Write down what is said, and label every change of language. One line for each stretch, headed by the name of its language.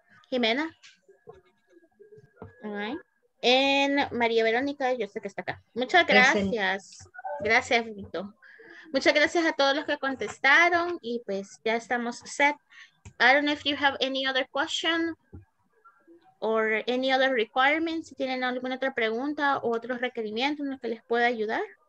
English: Jimena. All right.
Spanish: En María Verónica, yo sé que está acá. Muchas gracias. Gracias, Vito. Muchas gracias a todos los que contestaron y pues ya estamos set.
English: I don't know if you have any other question or any other requirements.
Spanish: Si tienen alguna otra pregunta o otros requerimientos en los que les pueda ayudar.